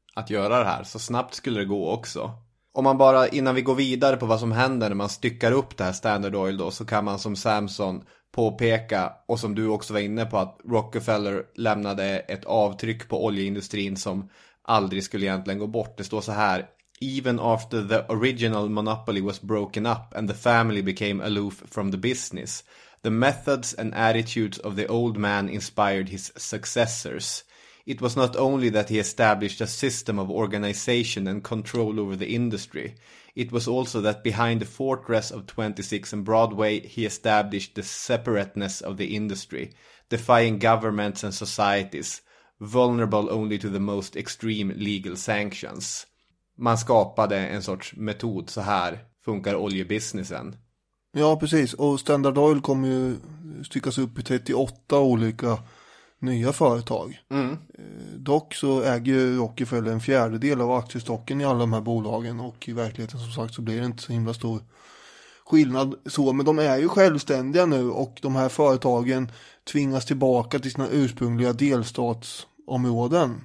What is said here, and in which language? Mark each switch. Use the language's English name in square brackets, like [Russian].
[Swedish] Att göra det här, så snabbt skulle det gå också. Om man bara, innan vi går vidare på vad som händer när man styckar upp det här Standard Oil då, så kan man som Samson påpeka, och som du också var inne på, att Rockefeller lämnade ett avtryck på oljeindustrin som aldrig skulle egentligen gå bort. Det står så här: [English] even after the original monopoly was broken up and the family became aloof from the business, the methods and attitudes of the old man inspired his successors. It was not only that he established a system of organization and control over the industry. It was also that behind the fortress of 26 and Broadway he established the separateness of the industry, defying governments and societies, vulnerable only to the most extreme legal sanctions. [Swedish] Man skapade en sorts metod, så här funkar oljebusinessen. Ja, precis. Och Standard Oil kommer ju styckas upp i 38 olika nya företag. Mm. Dock så äger ju Rockefeller en fjärdedel av aktiestocken i alla de här bolagen, och i verkligheten som sagt så blir det inte så himla stor skillnad så, men de är ju självständiga nu och de här företagen tvingas tillbaka till sina ursprungliga delstatsområden.